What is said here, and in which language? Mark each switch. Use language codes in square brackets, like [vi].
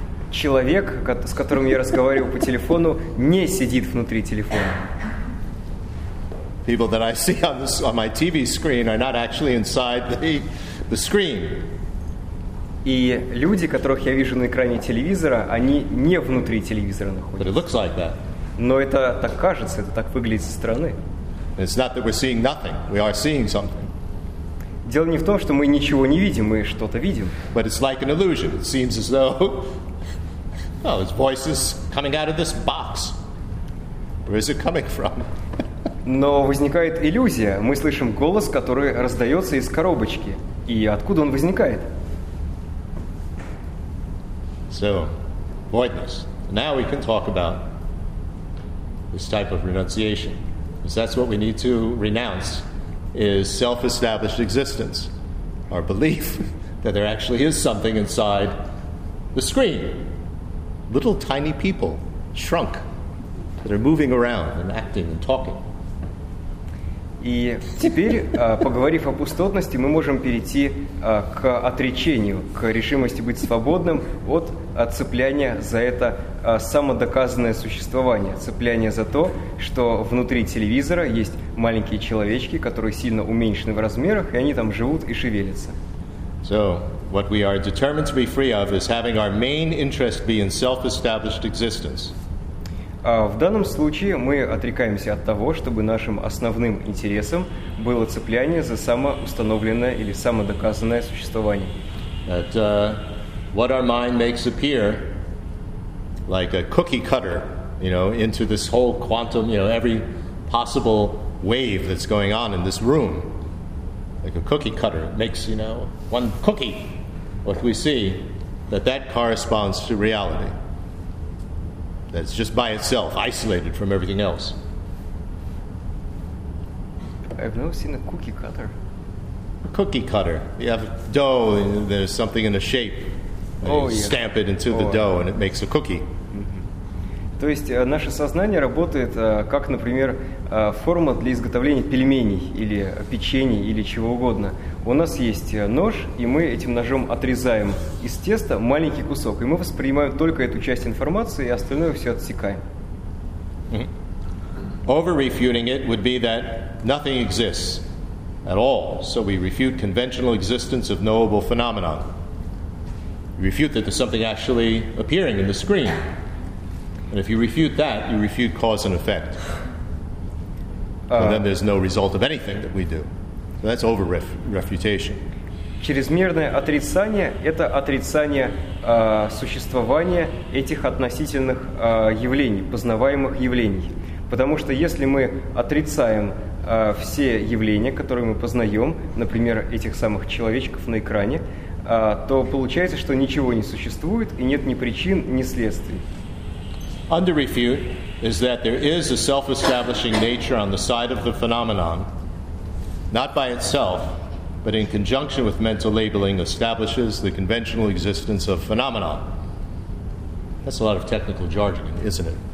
[ru] Человек, с которым я разговариваю по телефону, не сидит внутри телефона. [en] People that I see on my TV screen are not actually inside the screen. [ru] И люди, которых я вижу на экране телевизора, они не внутри телевизора находятся. [en] But it looks like that. [ru] Но это так кажется, это так выглядит со стороны. [en] It's not that we're seeing nothing. We are seeing something. [ru] Дело не в том, что мы ничего не видим, мы что-то видим. [en] But it's like an illusion. It seems as though, well, it's voices coming out of this box. Where is it coming from? [ru] Но возникает иллюзия. Мы слышим голос, который раздается из коробочки. И откуда он возникает? [en] So, voidness. Now we can talk about this type of renunciation. Because that's what we need to renounce, is self-established existence. Our belief that there actually is something inside the screen. Little tiny people, shrunk, that are moving around and acting and talking. [ru] И теперь, поговорив о пустотности, мы можем перейти к отречению, к решимости быть свободным от цепляния за это самодоказанное существование, цепляния за то, что внутри телевизора есть маленькие человечки, которые сильно уменьшены в размерах, и они там живут и шевелятся. [en] So, what we are determined to be free of is having our main interest be in self-established existence. [ru] В данном случае мы отрекаемся от того, чтобы нашим основным интересом было цепляние за самоустановленное или самодоказанное существование. [en] That what our mind makes appear like a cookie cutter, you know, into this whole quantum, you know, every possible wave that's going on in this room, like a cookie cutter makes, you know, one cookie. What we see, that corresponds to reality. That's just by itself, isolated from everything else. I've never seen a cookie cutter. A cookie cutter. You have dough, and there's something in a shape. Oh, you stamp it into the dough, and it makes a cookie. Mm-hmm. [ru] То есть наше сознание работает как, например, форма для изготовления пельменей или печенья или чего угодно. У нас есть нож, и мы этим ножом отрезаем из теста маленький кусок, и мы воспринимаем только эту часть информации, и остальное все отсекаем. [en] Over-refuting it would be that nothing exists at all, so we refute conventional existence of knowable phenomenon. We refute that there's something actually appearing in the screen. And if you refute that, you refute cause and effect. And then there's no result of anything that we do. So that's over-refutation. [ru] Чрезмерное отрицание – это отрицание существования этих относительных явлений, познаваемых явлений. Потому что если мы отрицаем все явления, которые мы познаем, например, этих самых человечков на экране, то получается, что ничего не существует и нет ни причин, ни следствий. [en] Under refute is that there is a self-establishing nature on the side of the phenomenon, not by itself, but in conjunction with mental labeling, establishes the conventional existence of phenomenon. That's a lot of technical jargon, isn't it?